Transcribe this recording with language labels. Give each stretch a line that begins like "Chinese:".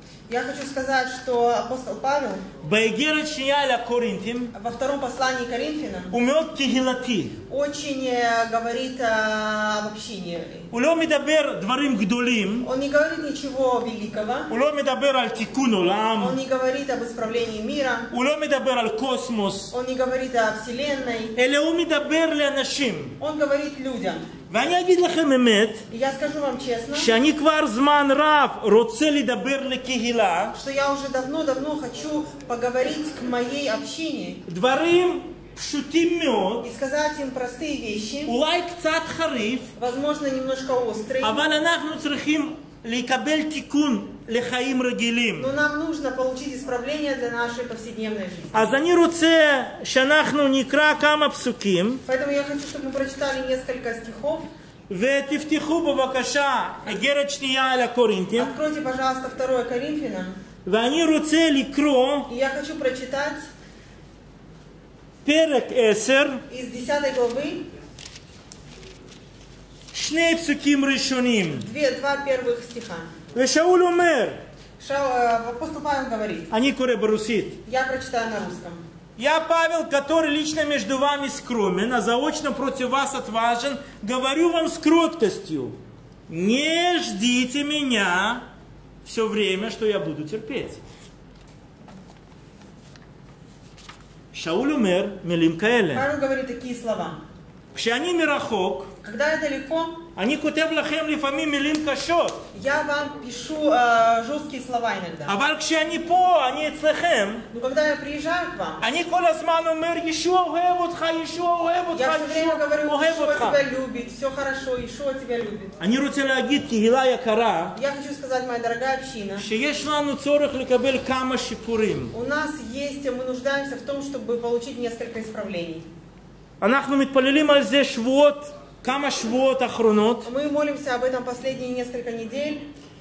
Russian: Я хочу сказать, что апостол Павел
Hebrew: באיגרת שנייה לקורינתים
Russian: во втором послании к Коринфянам
Hebrew: הוא מאוד קהילתי
Russian: очень говорит об общине
Hebrew: הוא לא מדבר דברים גדולים
Russian: он не говорит ничего великого
Hebrew: הוא לא מדבר על תיקון עולם
Russian: он не говорит об исправлении мира
Hebrew: הוא לא מדבר על קוסמוס
Russian: он не говорит о вселенной
Hebrew: אלא הוא מדבר לאנשים
Russian: он говорит людям
Hebrew: ואני אגיד לכם אמת,
Russian: я скажу вам честно,
Hebrew: שאני כבר זמן רב רוצה לדבר לקהילה,
Russian: что я уже давно-давно хочу поговорить к моей общине,
Hebrew: דברים פשוטים מאוד,
Russian: и сказать им простые вещи,
Hebrew: אולי קצת חריף,
Russian: возможно, немножко острый,
Hebrew: אבל אנחנו צריכים לקבל תיקון לחיים רגילים.
Russian: Но нам нужно получить исправление для нашей повседневной жизни.
Hebrew: אז אני רוצה שאנחנו נקרא כמה פסוקים.
Russian: Поэтому я хочу, чтобы мы прочитали несколько стихов.
Hebrew: ותפתחו בבקשה איגרת שנייה לקורינתים.
Russian: Откройте, пожалуйста, второе Коринфянам.
Hebrew: ואני רוצה לקרוא.
Russian: Я хочу прочитать.
Hebrew: פרק 10.
Russian: Из 10 главы.
Hebrew: שני פסוקים ראשונים.
Russian: Два первых стиха.
Hebrew: ושאול אומר,
Russian: апостол Павел говорит,
Hebrew: אני קורא ברוסית,
Russian: я прочитаю на русском, я Павел, который лично между вами скромен, а заочно против вас отважен, говорю вам с кроткостью, не ждите меня все время, что я буду терпеть.
Hebrew: Шауль умер, милим каэле.
Russian: Павел говорит такие слова.
Hebrew: כשאני מרחוק,
Russian: когда я далеко,
Hebrew: אני כותב לכם לפעמים מילים קשות.
Russian: Я вам пишу жесткие слова иногда.
Hebrew: אבל כשאני פה, אני אצלכם.
Russian: Но когда я приезжаю к вам.
Hebrew: אני כל הזמן אומר, ישוע אוהב אותך, ישוע אוהב אותך, ישוע אוהב אותך.
Russian: Я все время говорю, ישוע тебя любит, все хорошо, ישוע тебя любит.
Hebrew: אני רוצה להגיד, קהילה יקרה.
Russian: Я хочу сказать, моя дорогая община.
Hebrew: שיש לנו צורך לקבל כמה שיפורים.
Russian: У нас есть, мы нуждаемся в том, чтобы получить несколько исправлений.
Hebrew: אנחנו מתפללים על זה שבועות, כמה שבועות אחרונות.
Russian: Мы молимся об этом последние несколько недель.